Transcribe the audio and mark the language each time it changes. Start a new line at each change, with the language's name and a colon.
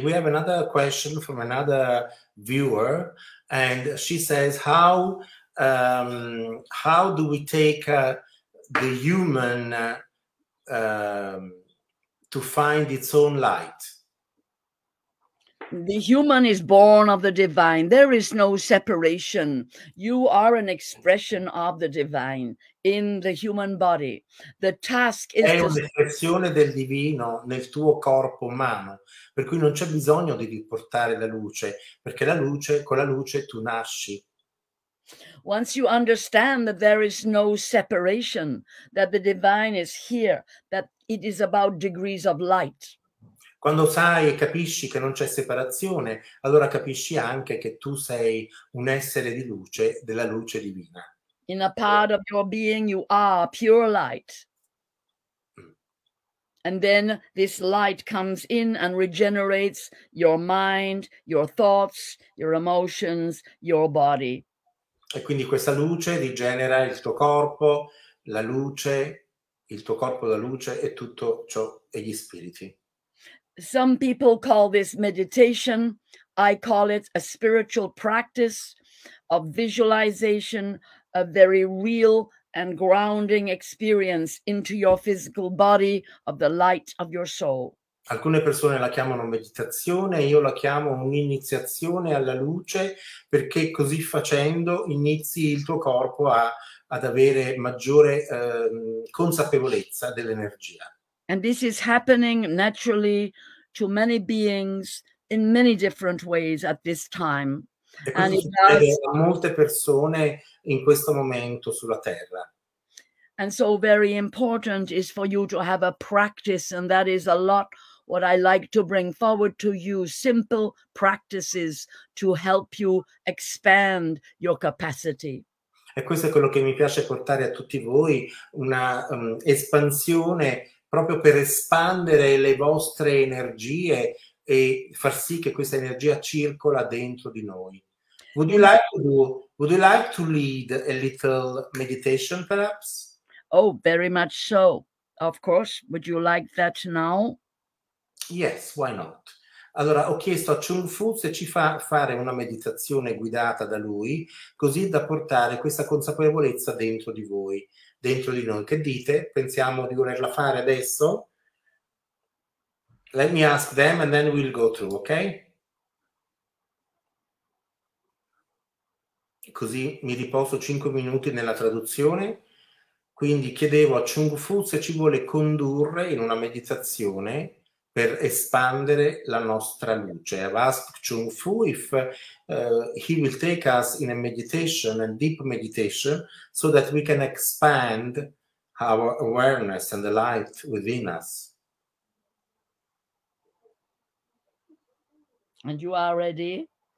English: We have another question from another viewer, and she says, how do we take the human to find its own light? The human is born of the divine. There is no separation. You are an expression of the divine in the human body. The task is
Italian: un'espressione del divino nel tuo corpo umano, per cui non c'è bisogno di riportare la luce, perché la luce, con la luce tu nasci.
English: Once you understand that there is no separation, that the divine is here, that it is about degrees of light.
Italian: Quando sai e capisci che non c'è separazione, allora capisci anche che tu sei un essere di luce, della luce divina.
English: In a part of your being you are pure light. And then this light comes in and regenerates your mind, your thoughts, your emotions, your body.
Italian: E quindi questa luce rigenera il tuo corpo, la luce, il tuo corpo da luce e tutto ciò e gli spiriti.
English: Some people call this meditation. I call it a spiritual practice of visualization, a very real and grounding experience into your physical body of the light of your soul.
Italian: Alcune persone la chiamano meditazione, io la chiamo un'iniziazione alla luce, perché così facendo inizi il tuo corpo ad avere maggiore consapevolezza dell'energia.
English: And this is happening naturally to many beings in many different ways at this time. And it does
Italian: a molte persone in questo momento sulla terra.
English: And so very important is for you to have a practice, and that is a lot what I like to bring forward to you, simple practices to help you expand your capacity.
Italian: E questo è quello che mi piace portare a tutti voi, una espansione proprio per espandere le vostre energie e far sì che questa energia circola dentro di noi.
English: Would you like to lead a little meditation, perhaps? Oh, very much so. Of course, would you like that now? Yes, why not?
Italian: Allora, ho chiesto a Chung Fu se ci fa fare una meditazione guidata da lui, così da portare questa consapevolezza dentro di voi, dentro di noi. Che dite? Pensiamo di volerla fare adesso?
English: Let me ask them and then we'll go through, okay?
Italian: Così mi riposo 5 minuti nella traduzione. Quindi chiedevo a Chung Fu se ci vuole condurre in una meditazione per espandere la nostra luce.
English: I've asked Chung Fu if he will take us in a meditation, a deep meditation, so that we can expand our awareness and the light within us. And you are ready?